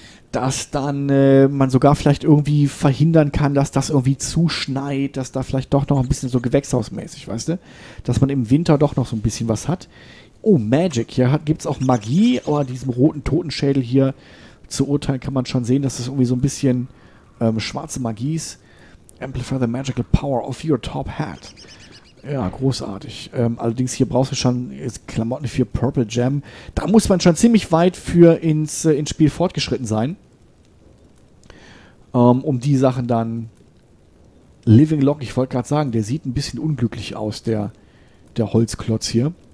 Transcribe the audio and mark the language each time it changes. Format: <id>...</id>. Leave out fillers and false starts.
<de>Dass dann man sogar vielleicht irgendwie verhindern kann, dass das irgendwie zuschneit, dass da vielleicht doch noch ein bisschen so gewächshausmäßig, weißt du? Dass man im Winter doch noch so ein bisschen was hat. Oh, Magic. Hier gibt es auch Magie, aber an diesem roten Totenschädel hier zu urteilen, kann man schon sehen, dass es irgendwie so ein bisschen schwarze Magie ist.</de> <en>Amplify the magical power of your top hat.</en> <de>Ja, großartig. Allerdings hier brauchst du schon Klamotten für Purple Gem. Da muss man schon ziemlich weit für ins Spiel fortgeschritten sein. Um die Sachen dann... Living Lock, ich wollte gerade sagen, der sieht ein bisschen unglücklich aus, der Holzklotz hier.</de>